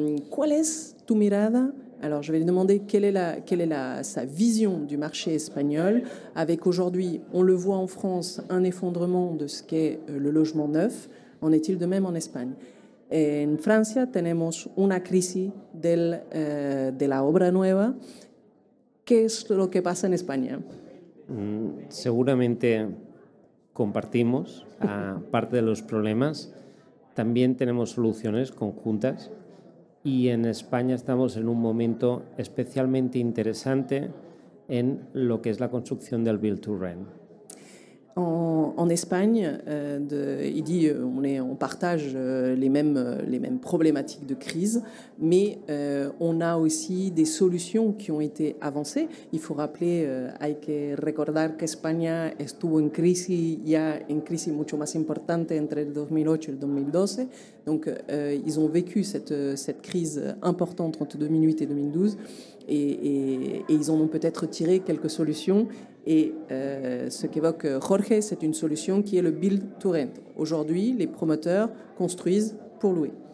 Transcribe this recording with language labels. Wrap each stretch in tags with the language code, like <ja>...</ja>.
<es>¿Cuál es tu mirada?</es> <fr>Alors, je vais lui demander quelle est sa vision du marché espagnol avec aujourd'hui, on le voit en France, un effondrement de ce qu'est le logement neuf. En est-il de même en Espagne?</fr> <es>En Francia tenemos una crisis de la obra nueva. ¿Qué es lo que pasa en España? Seguramente compartimos parte de los problemas. También tenemos soluciones conjuntas. Y en España estamos en un momento especialmente interesante en lo que es la construcción del build to rent.</es> <fr>En Espagne, il dit on partage les mêmes problématiques de crise, mais on a aussi des solutions qui ont été avancées. Il faut rappeler,</fr> <es>hay que recordar que España estuvo en crisis, ya en crisis mucho más importante entre el 2008 y el 2012.</es> <fr>Donc, ils ont vécu cette crise importante entre 2008 et 2012, et ils en ont peut-être tiré quelques solutions. Et ce qu'évoque Jorge, c'est une solution qui est le build to rent. Aujourd'hui, les promoteurs construisent pour louer.</fr>